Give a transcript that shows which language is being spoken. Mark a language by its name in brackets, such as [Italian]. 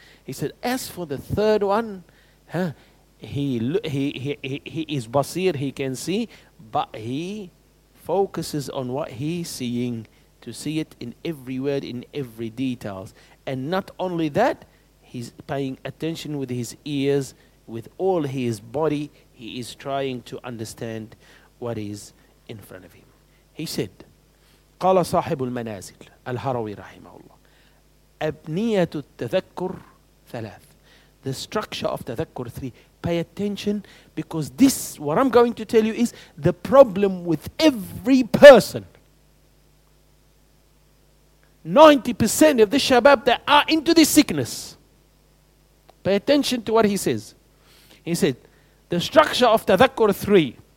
[English] He said, as for the third one, he is basir, he can see, but he focuses on what he's seeing, to see it in every word, in every details. And not only that, he's paying attention with his ears, with all his body, he is trying to understand what is in front of him. He said, [Arabic] قال صاحب المنازل الهروي رحمه الله أبنية التذكر [English] The structure of tadhakkur 3. Pay attention because this, what I'm going to tell you is the problem with every person. 90% of the shabab that are into this sickness. Pay attention to what he says. He said, the structure of tadhakkur 3.